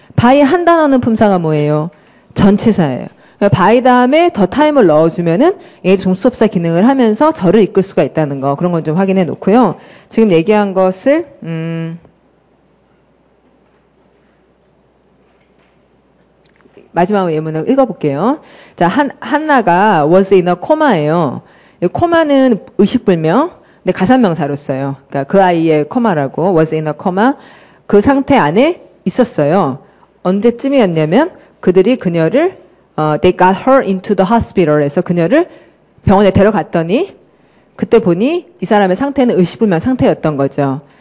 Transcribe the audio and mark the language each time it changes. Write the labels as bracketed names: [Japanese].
[Korean] by 한 단어는 품사가 뭐예요? 전치사예요. by 다음에 the time을 넣어주면은 얘 종속사 기능을 하면서 절을 이끌 수가 있다는 거, 그런 건 좀 확인해 놓고요. 지금 얘기한 것을 마지막 예문을 읽어볼게요. 자, 한나가 was in a coma예요. 코마는 의식불명, 근데 가산명사로 써요. 그러니까 그 아이의 코마라고, was in a coma. 그 상태 안에 있었어요. 언제쯤이었냐면 그들이 그녀를 [English] they got her into the hospital [Korean] 해서 그녀를 병원에 데려갔더니 그때 보니 이 사람의 상태는 의식불명 상태였던 거죠.